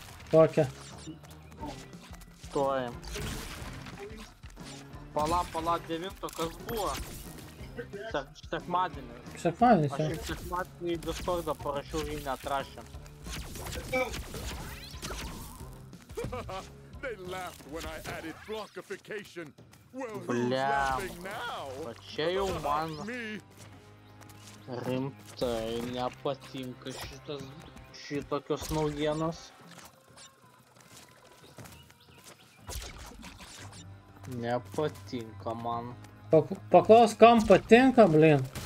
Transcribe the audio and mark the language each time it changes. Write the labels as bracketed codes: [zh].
[lt] Kokia? Tuoj. Pala, pala, devinto, kas buvo? Sekmadienį. Sekmadienį, aš jau sekmadienį į Discordą parašiau ir jį netrašę. [en] They laughed when I added blockification. [lt] Bliam. O čia jau man... Rimtai, nepatinka šitas... šitokios naujienos. Nepatinka man. Paklaus, kam patinka, blin.